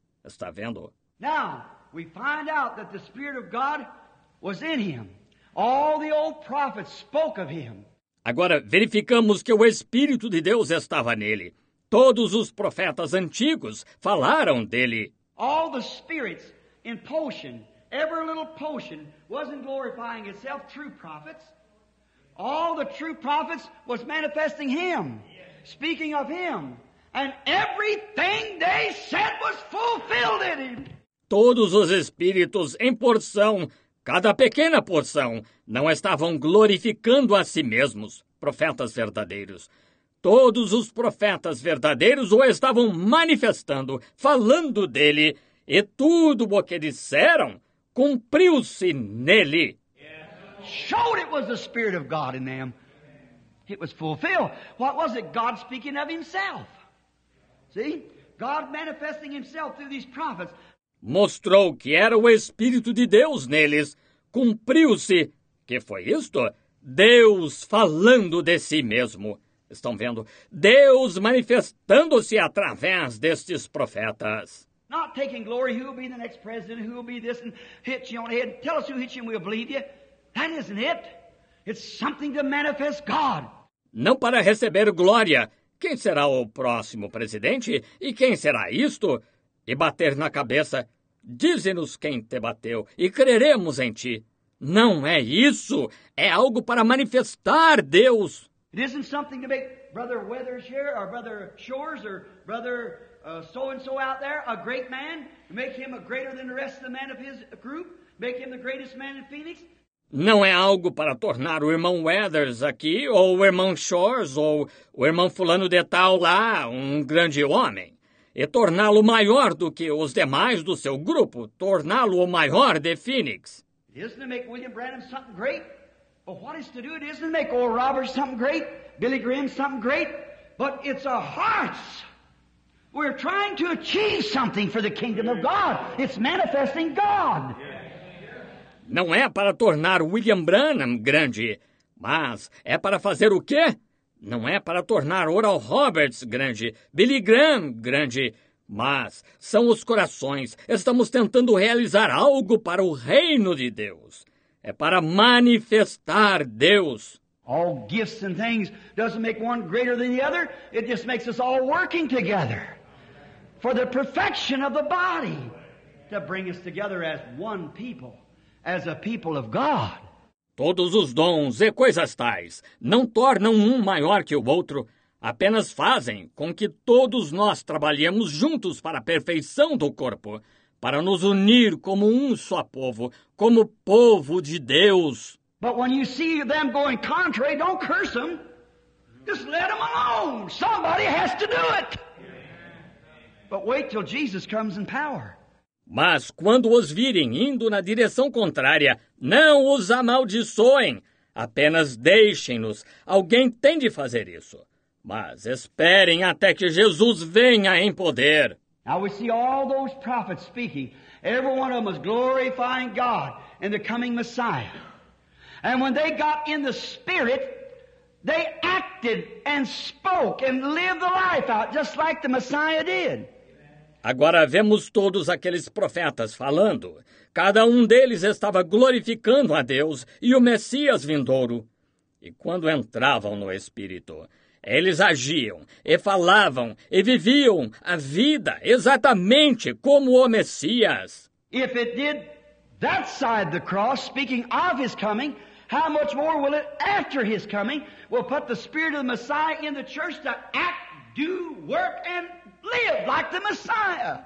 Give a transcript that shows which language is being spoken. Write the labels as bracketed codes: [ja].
[pt] Está vendo? [en] Now, we find out that the Spirit of God was in him. All the old prophets spoke of him. [pt] Agora, verificamos que o Espírito de Deus estava nele. Todos os profetas antigos falaram dele. [en] All the spirits in potion, every little potion, wasn't glorifying itself, true prophets. All the true prophets was manifesting him, speaking of him. And everything they said was fulfilled in him. [pt] Todos os espíritos em porção, cada pequena porção, não estavam glorificando a si mesmos, profetas verdadeiros. Todos os profetas verdadeiros o estavam manifestando, falando dele, e tudo o que disseram cumpriu-se nele. [en] Showed it was the Spirit of God in them. It was fulfilled. What was it? God speaking of himself. See? God manifesting himself through these prophets. [pt] Mostrou que era o Espírito de Deus neles. Cumpriu-se. Que foi isto? Deus falando de si mesmo. Estão vendo? Deus manifestando-se através destes profetas. [en] Not taking glory, who will be the next president, who will be this, and hit you on the head. Tell us who hit you and we'll believe you. That isn't it. It's something to manifest God. [pt] Não para receber glória. Quem será o próximo presidente? E quem será isto? E bater na cabeça. Dize-nos quem te bateu e creremos em ti. Não é isso. É algo para manifestar Deus. [en] It isn't something to make Brother Weathers here or Brother Shores or Brother so-and-so out there a great man. Make him a greater than the rest of the men of his group. Make him the greatest man in Phoenix. [pt] Não é algo para tornar o irmão Weathers aqui, ou o irmão Shores, ou o irmão fulano de tal lá, um grande homem. E torná-lo maior do que os demais do seu grupo, torná-lo o maior de Phoenix. [en] Isn't it make William Branham something great? But what is to do it isn't make Oral Roberts something great, Billy Graham something great, but it's our hearts. We're trying to achieve something for the kingdom of God. It's manifesting God. [pt] Não é para tornar William Branham grande, mas é para fazer o quê? Não é para tornar Oral Roberts grande, Billy Graham grande, mas são os corações. Estamos tentando realizar algo para o reino de Deus. É para manifestar Deus. [en] All gifts and things doesn't make one greater than the other. It just makes us all working together for the perfection of the body to bring us together as one people, as a people of God. [pt] Todos os dons e coisas tais não tornam maior que o outro, apenas fazem com que todos nós trabalhemos juntos para a perfeição do corpo, para nos unir como só povo, como povo de Deus. [en] But when you see them going contrary, don't curse them. Just let them alone. Somebody has to do it. But wait till Jesus comes in power. [pt] Mas quando os virem indo na direção contrária, não os amaldiçoem. Apenas deixem-nos. Alguém tem de fazer isso. Mas esperem até que Jesus venha em poder. [en] Now we see all those prophets speaking. Every one of them is glorifying God and the coming Messiah. And when they got in the Spirit, they acted and spoke and lived the life out, just like the Messiah did. [pt] Agora vemos todos aqueles profetas falando. Cada deles estava glorificando a Deus e o Messias vindouro. E quando entravam no Espírito, eles agiam e falavam e viviam a vida exatamente como o Messias. [en] If it did that side of the cross, speaking of his coming, how much more will it, after his coming, will put the Spirit of the Messiah in the church to act, do, work, and live like the Messiah?